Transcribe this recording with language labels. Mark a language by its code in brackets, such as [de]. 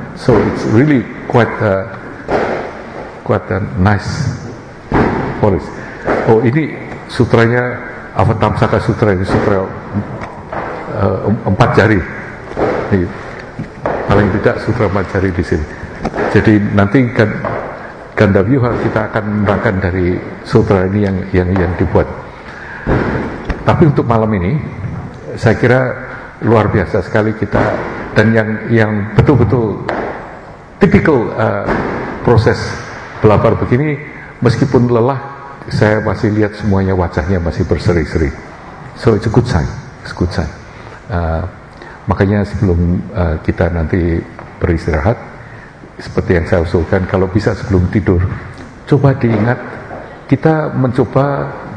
[en] So it's really quite a nice forest. [id] Oh ini sutranya Avatamsaka Sutra, ini sutra 4 jari. Ini, paling tidak sutra 4 jari di sini. Jadi nanti Gandavyuha kita akan menerangkan dari sutra ini yang dibuat. Tapi untuk malam ini saya kira luar biasa sekali kita, dan yang betul-betul typical proses belajar begini, meskipun lelah saya masih lihat semuanya wajahnya masih berseri-seri. [en] So it's a good sign, it's a good sign. [id] Makanya sebelum kita nanti beristirahat, seperti yang saya usulkan, kalau bisa sebelum tidur coba diingat kita mencoba